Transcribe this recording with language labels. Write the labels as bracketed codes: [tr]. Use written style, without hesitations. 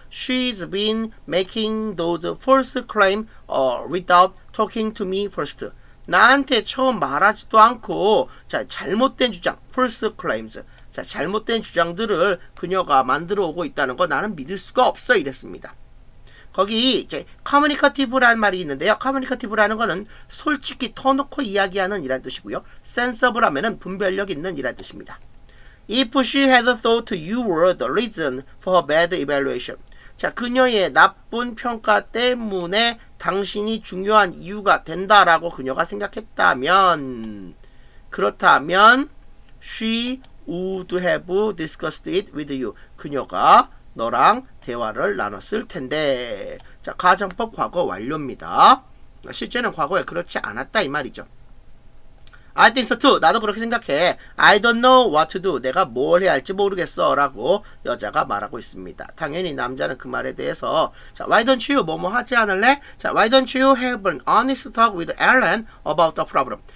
[en] She's been making those false claims without talking to me first. [ko] 나한테 처음 말하지도 않고, 자, 잘못된 주장, false claims. 자, 잘못된 주장들을 그녀가 만들어 오고 있다는 거 나는 믿을 수가 없어. 이랬습니다. 거기 이제 communicative라는 말이 있는데요. communicative라는 거는 솔직히 터놓고 이야기하는 이란 뜻이고요. sensible 하면은 분별력 있는 이란 뜻입니다. [en] If she had thought you were the reason for her bad evaluation. [ko] 자, 그녀의 나쁜 평가 때문에 당신이 중요한 이유가 된다라고 그녀가 생각했다면, 그렇다면 [en] she would have discussed it with you. [ko] 그녀가 너랑 대화를 나눴을 텐데. 자, 가정법 과거 완료입니다. 실제는 과거에 그렇지 않았다 이 말이죠. [en] I think so too. [ko] 나도 그렇게 생각해. [en] I don't know what to do. [ko] 내가 뭘 해야 할지 모르겠어. 라고 여자가 말하고 있습니다. 당연히 남자는 그 말에 대해서, 자, why don't you 뭐뭐 하지 않을래? [en] 자, why don't you have an honest talk with Ellen about the problem?